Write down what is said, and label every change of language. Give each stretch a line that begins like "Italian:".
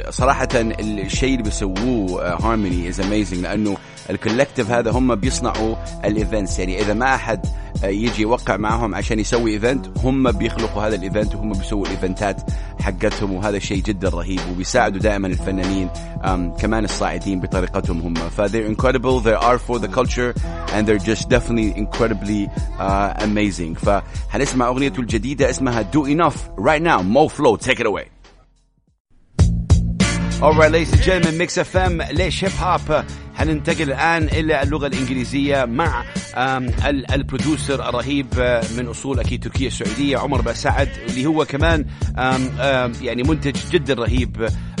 Arabic: صراحة الشيء اللي بيسووه Harmony
English: is amazing
Arabic: لأنه الكولكتيف هذا هم بيصنعوا الإيفنتس. يعني إذا ما أحد يجي يوقع معهم عشان يسوي إيفنت هم بيخلقوا هذا الإيفنت وهم بيسووا الإيفنتات حقتهم, وهذا شيء جدا رهيب وبيساعدوا دائما الفنانين كمان الصاعدين بطريقتهم هم.
English: فthey're incredible, they are for the culture and they're just definitely incredibly amazing.
Arabic: فهنسمع أغنيته الجديدة اسمها Do Enough right now.
English: Mo Flow, take it away. Alright ladies and gentlemen, Mix FM, ليش hip hop.
Arabic: حننتقل الآن إلى اللغة الإنجليزية مع البرودوسر الرهيب من أصول أكيد تركية سعودية عمر بسعد اللي هو كمان يعني منتج جدا رهيب.